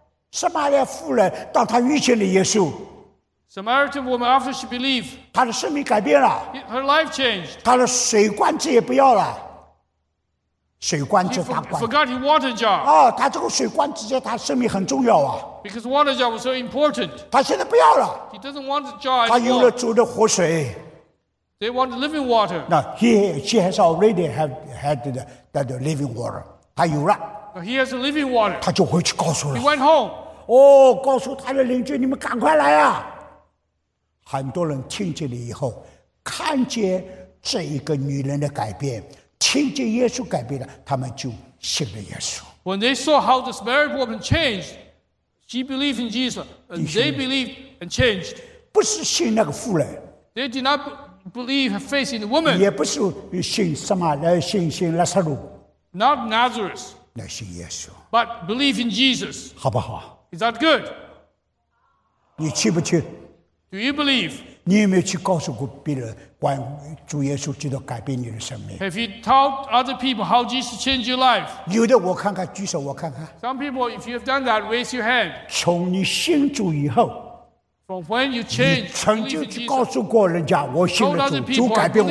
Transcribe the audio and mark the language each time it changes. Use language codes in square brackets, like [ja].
[zh] 撒玛利亚妇人，当她遇见了耶稣。 [en] Samaritan woman after she believed。 [zh] 她的生命改变了。 [en] Her life changed。 [zh] 她的水罐子也不要了。水罐子大罐 [en] forgot his water jar. [zh] 哦，他这个水罐子在他生命很重要啊。 [en] Because water jar was so important. [zh] 他现在不要了。 [en] He doesn't want the jar. [zh] 他有了主的活水。 [en] They want the living water. No, she has already had the living water. [zh] 他有了。 [en] He has the living water. [zh] 他就回去告诉了。 [en] He went home. [zh] 哦，告诉他的邻居，你们赶快来啊！很多人听见了以后，看见这一个女人的改变。听见耶稣改变了，他们就信了耶稣。 [en] When they saw how the Samaritan woman changed, she believed in Jesus, and they believed and changed. [zh] 不是信那个妇人。 [en] They did not believe her faith in the woman. [zh] 也不是信什么来信拉撒路。 [en] Not Nazareth. [zh] 来信耶稣。 [en] But believe in Jesus. [zh] 好不好 [en] ？Is that good? [zh] 你去不去 [en] ？Do you believe? [zh] 你有没有去告诉过别人？关于主耶稣基督改变你的生命。 [en] Have you taught other people how Jesus changed your life? [zh] 有的，我看看，举手，我看看。 [en] Some people, if you have done that, raise your hand. [zh] 从你信主以后 [en] ，From when you change, [zh] 你曾经去告诉过人家，我信了主，主改变我。